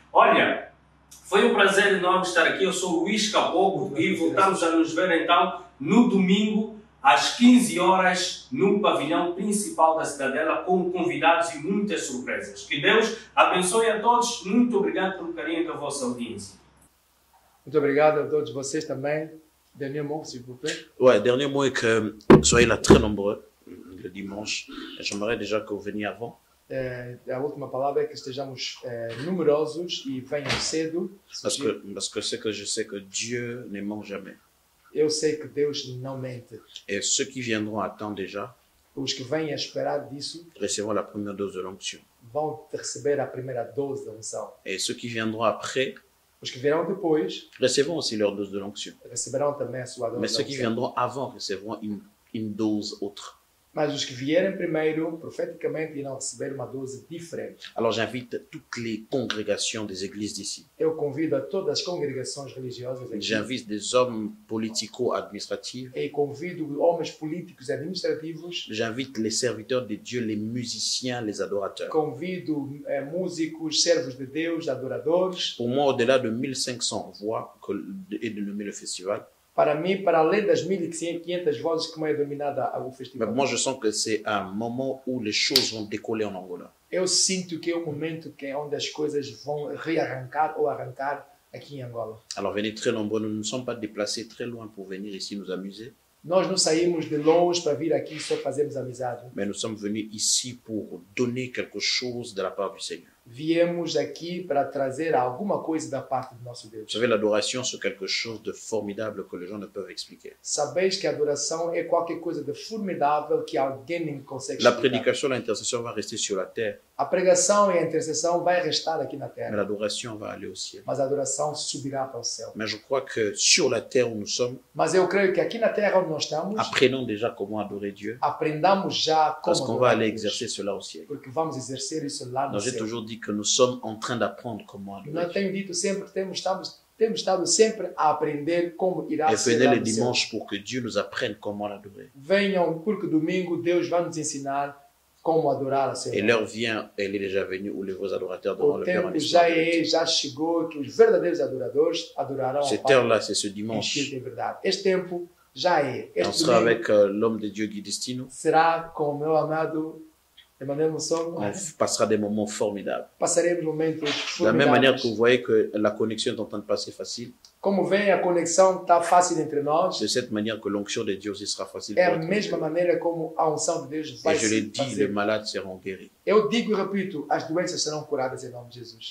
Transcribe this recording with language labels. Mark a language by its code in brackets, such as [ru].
[pt] Olha, foi um prazer enorme estar aqui, eu sou o Luís Capogo, e voltamos a nos ver então no domingo, às 15 horas, no pavilhão principal da Cidadela, com convidados e muitas surpresas. Que Deus abençoe a todos. Muito obrigado pelo carinho da vossa audiência. Muito obrigado a todos vocês também. [fr] Dernier mot, s'il vous plaît. Ouais, dernier mot est que soyez là très nombreux le dimanche. J'aimerais déjà que vous veniez avant. [pt] A última palavra é que estejamos numerosos e venham cedo. [fr] Parce que je sais que Dieu ne ment jamais. [pt] Eu sei que Deus não mente. [fr] Et ceux qui viendront à temps déjà, [pt] os que vêm a esperar disso, [fr] recevront la première dose de l'onction. [pt] Vão receber a primeira dose da unção. [fr] Et ceux qui viendront après, [pt] os que virão depois, [fr] recevront aussi leur dose de l'onction. [pt] Receberão também a sua dose. [fr] Mais ceux qui viendront avant recevront une dose autre. [pt] Mas os que vierem primeiro, profeticamente, irão receber uma dose diferente. [fr] Alors j'invite toutes les congrégations des églises d'ici. [pt] Eu convido a todas as congregações religiosas aqui. [fr] J'invite des hommes politico-administratifs. [pt] E convido homens políticos e administrativos. [fr] J'invite les serviteurs de Dieu, les musiciens, les adorateurs. [pt] Convido músicos, servos de Deus, adoradores. [fr] Pour moi, au-delà de 1500 voix que est dénommé le festival. [pt] Para mim, para além das 1.500 vozes que me é dominada o festival. Mas eu sinto que é um momento onde as coisas vão decolar em Angola. Eu sinto que é um momento que é onde as coisas vão rearrancar ou arrancar aqui em Angola. [fr] Alors, venez très nombreux, nous ne sommes pas déplacés très loin pour venir ici nous amuser. [pt] Nós não saímos de longe para vir aqui só fazermos amizade. [fr] Mas nous sommes venus ici pour donner quelque chose de la part du Seigneur. [pt] Viemos aqui para trazer alguma coisa da parte do nosso Deus. [fr] Sabes, l'adoration c'est quelque chose de formidable que les gens ne peuvent expliquer. [pt] Sabes que a adoração é qualquer coisa de formidável que alguém nem consegue explicar. [fr] La prédication, l'intercession va rester sur la terre. [pt] A pregação e a intercessão vai restar aqui na terra. [fr] Mais l'adoration va aller au ciel. [pt] Mas a adoração subirá para o céu. [fr] Mais je crois que sur la terre où nous sommes. [pt] Mas eu creio que aqui na terra onde nós estamos. [fr] Apprenons déjà comment adorer Dieu. [pt] Aprendamos já como [fr] parce qu'on va aller exercer cela au ciel. [pt] Porque vamos exercer isso lá no céu. [fr] J'ai toujours dit que nous sommes en train d'apprendre comment adorer. [pt] Nós temos dito sempre que temos estado sempre a aprender como irá ser. [fr] Et venez le dimanche pour que Dieu nous apprenne comment l'adorer. [pt] Venham porque domingo Deus vai nos ensinar como adorar a Senhor. [fr] Et l'heure vient, elle est déjà venue où les vrais adorateurs [pt] adorarão. O tempo já é, já chegou que os verdadeiros adoradores adorarão. [fr] Cette heure-là, c'est ce dimanche. [pt] É verdade. Este tempo já é. [fr] On sera avec l'homme de Dieu Guy Destino. [pt] Será com o meu amado Emmanuel Musson. [fr] On passera des moments formidables. [pt] Passaremos momentos formidáveis. [fr] De la même manière que vous voyez que la connexion est en train de passer facile. [pt] Como vem, a conexão está fácil entre nós. [fr] De cette manière que l'onction de Dieu sera facile. [pt] É a mesma maneira como a unção de Deus vai [fr] se passer. Les malades seront guéris. [pt] Eu digo e repito, as doenças serão curadas em nome de Jesus.